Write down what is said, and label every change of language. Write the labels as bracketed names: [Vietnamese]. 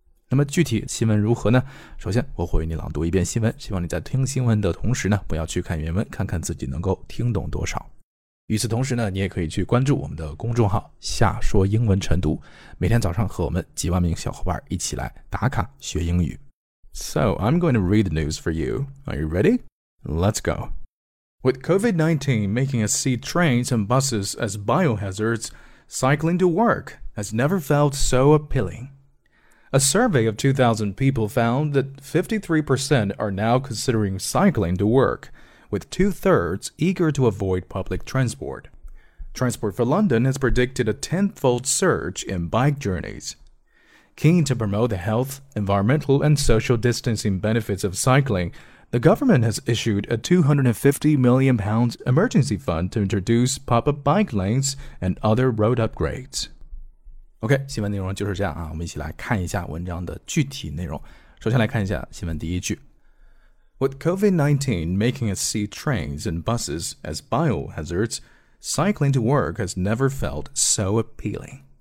[Chinese] 那么具体新闻如何呢？首先我会为你朗读一遍新闻，希望你在听新闻的同时呢不要去看原文，看看自己能够听懂多少。与此同时呢，你也可以去关注我们的公众号夏说英文晨读，每天早上和我们几万名小伙伴一起来打卡学英语。 [English] So, I'm going to read the news for you. Are you ready? Let's go. With COVID-19 making us see trains and buses as biohazards, cycling to work has never felt so appealing. A survey of 2,000 people found that 53% are now considering cycling to work, with two-thirds eager to avoid public transport. Transport for London has predicted a tenfold surge in bike journeys. Keen to promote the health, environmental, and social distancing benefits of cycling, the government has issued a £250 million emergency fund to introduce pop-up bike lanes and other road upgrades. [Chinese] OK, 新闻内容就是这样啊，我们一起来看一下文章的具体内容。首先来看一下新闻第一句。 [English] With COVID-19 making us see trains and buses as biohazards, cycling to work has never felt so appealing.